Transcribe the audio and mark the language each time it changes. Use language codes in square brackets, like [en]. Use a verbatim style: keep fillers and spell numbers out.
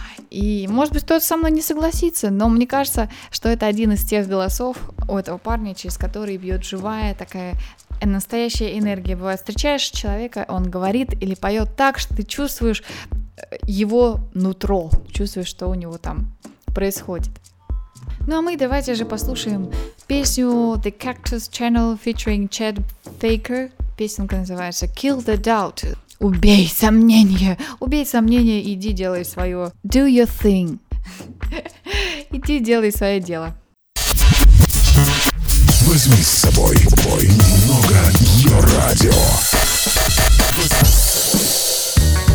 [ru] И, может быть, кто-то со мной не согласится, но мне кажется, что это один из тех голосов у этого парня, через который бьет живая такая настоящая энергия. Бывает, встречаешь человека, он говорит или поет так, что ты чувствуешь его нутро, чувствуешь, что у него там происходит. Ну а мы давайте же послушаем песню The Cactus Channel featuring Chad Faker. Песенка называется Kill the Doubt. Убей сомнения, убей сомнения, иди делай свое. [en] Do your thing. [ru] Иди делай свое дело. Возьми с собой немного ее радио.